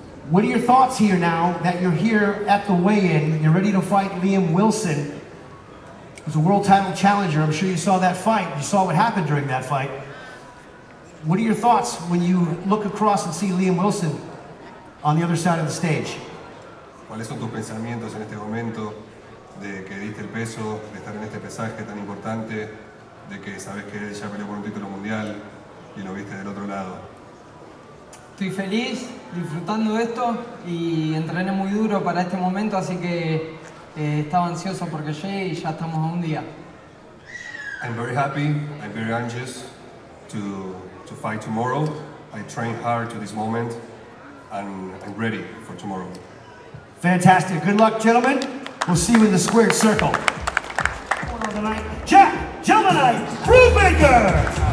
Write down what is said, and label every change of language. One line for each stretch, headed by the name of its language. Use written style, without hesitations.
English: What are your thoughts here now that you're here at the weigh-in, you're ready to fight Liam Wilson, who's a world title challenger? I'm sure you saw that fight. You saw what happened during that fight. What are your thoughts when you look across and see Liam Wilson on the other side of the stage?
Spanish: ¿Cuáles son tus pensamientos en este momento de que diste el peso, de estar en este pesaje tan importante, de que sabes que ya peleó por un título mundial y lo viste del otro lado? Estoy feliz disfrutando esto y entrené muy duro para este momento, así que estaba ansioso porque llegué y ya estamos a un día.
English: I'm very happy, I'm very anxious to fight tomorrow. I trained hard to this moment and I'm ready for tomorrow. Fantastic. Good luck, gentlemen. We'll see you in the squared circle. One of the night, Jack Gemini Brubaker!